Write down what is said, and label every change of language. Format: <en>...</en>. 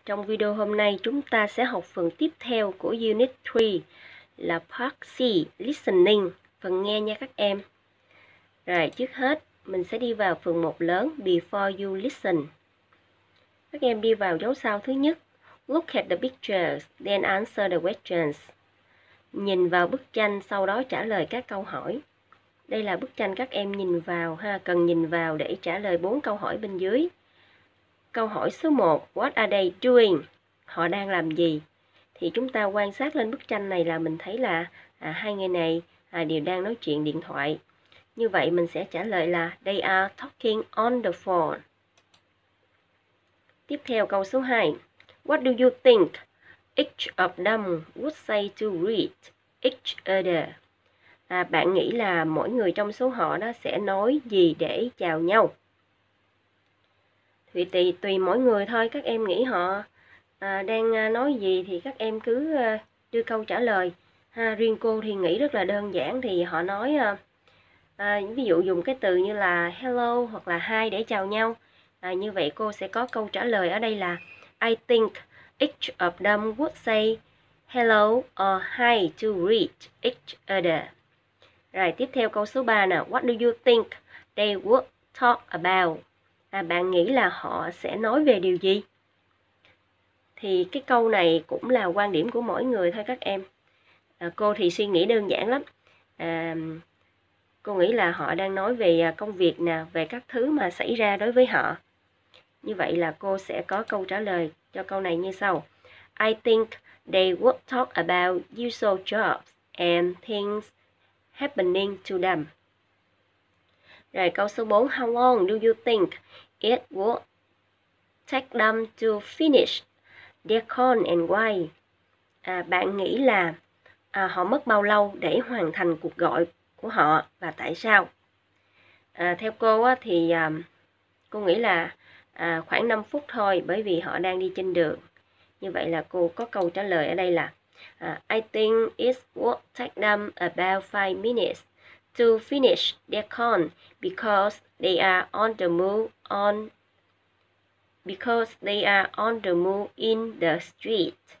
<vi>Trong video hôm nay chúng ta sẽ học phần tiếp theo của Unit 3 là Part C, Listening, phần nghe nha các em. Rồi, trước hết mình sẽ đi vào phần 1 lớn Before You Listen. Các em đi vào dấu sao thứ nhất.</vi> <en>Look at the pictures, then answer the questions.</en> <vi>Nhìn vào bức tranh, sau đó trả lời các câu hỏi. Đây là bức tranh các em nhìn vào ha, cần nhìn vào để trả lời 4 câu hỏi bên dưới. Câu hỏi số 1,</vi> <en>what are they doing?</en> <vi>Họ đang làm gì? Thì chúng ta quan sát lên bức tranh này là mình thấy là hai người này đều đang nói chuyện điện thoại. Như vậy mình sẽ trả lời là</vi> <en>they are talking on the phone.</en> <vi>Tiếp theo câu số 2,</vi> <en>what do you think each of them would say to greet each other?</en> <vi>Bạn nghĩ là mỗi người trong số họ đó sẽ nói gì để chào nhau? Vì tùy mỗi người thôi, các em nghĩ họ đang nói gì thì các em cứ đưa câu trả lời. Ha, riêng cô thì nghĩ rất là đơn giản thì họ nói, ví dụ dùng cái từ như là hello hoặc là hi để chào nhau. Như vậy cô sẽ có câu trả lời ở đây là</vi> <en>I think each of them would say hello or hi to greet each other.</en> <vi>Rồi tiếp theo câu số 3 nè,</vi> <en>what do you think they would talk about?</en> <vi>Bạn nghĩ là họ sẽ nói về điều gì? Thì cái câu này cũng là quan điểm của mỗi người thôi các em. Cô thì suy nghĩ đơn giản lắm. Cô nghĩ là họ đang nói về công việc nè, về các thứ mà xảy ra đối với họ. Như vậy là cô sẽ có câu trả lời cho câu này như sau.</vi> <en>I think they would talk about usual jobs and things happening to them.</en> <vi>Rồi câu số 4,</vi> <en>how long do you think it would take them to finish their con and why?</en> <vi>Bạn nghĩ là họ mất bao lâu để hoàn thành cuộc gọi của họ và tại sao? Theo cô á, thì cô nghĩ là khoảng 5 phút thôi bởi vì họ đang đi trên đường. Như vậy là cô có câu trả lời ở đây là</vi> <en>I think it would take them about 5 minutes to finish their con because they are on the move in the street.</en>